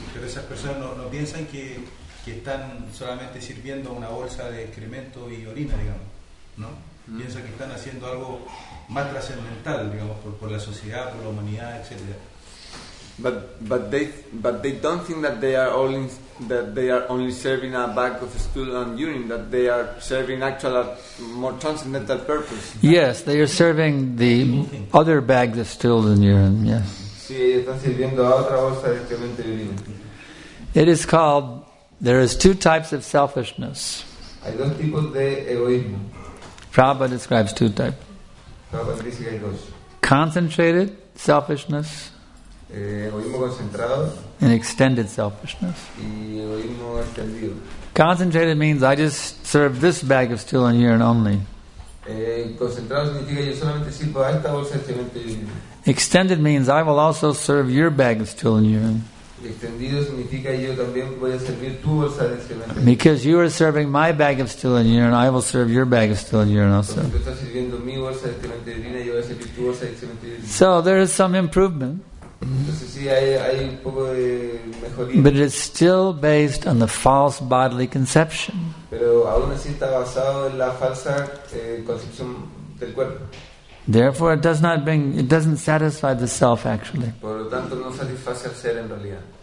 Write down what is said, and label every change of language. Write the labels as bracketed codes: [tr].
[es] Pero esas personas no piensan que están solamente sirviendo una bolsa de excremento y orina, digamos, ¿no? Mm. Piensan que están haciendo algo más trascendental, digamos, por la sociedad, por la humanidad, etcétera. [en] But they don't think that they are only serving a bag of stool and urine, that they are serving actual more transcendental purpose. Yes, they are serving the other bags of stools and urine. Yes. [es] Sí, están sirviendo a otra bolsa de excremento y urina. [en] It is called. There is two types of selfishness. [es] Hay dos tipos de egoísmo. [en] Prabhupada describes two types. [es] Prabhupada dice que hay dos. [en] Concentrated selfishness. [es] Egoísmo concentrado. [en] And extended selfishness. [es] Y egoísmo extendido. [en] Concentrated means I just serve this bag of stool and urine only. [es] Concentrado significa yo solamente sirvo a esta bolsa de cemento y urina. [en] Extended means I will also serve your bag of stool and urine. [es] Extendido significa yo también voy a servir tu bolsa de cemento. [en] Because you are serving my bag of stool and urine, I will serve your bag of stool and urine also. [es] Porque tú estás sirviendo mi bolsa de cemento y urina, yo voy a servir tu bolsa de cemento y urina. [en] So there is some improvement. [es] Entonces, sí, hay un poco de mejoría. [en] But it is still based on the false bodily conception. [es] Pero aún así está basado en la falsa concepción del cuerpo. [en] Therefore, it doesn't satisfy the self actually. [es] Por lo tanto, no satisface al ser en realidad.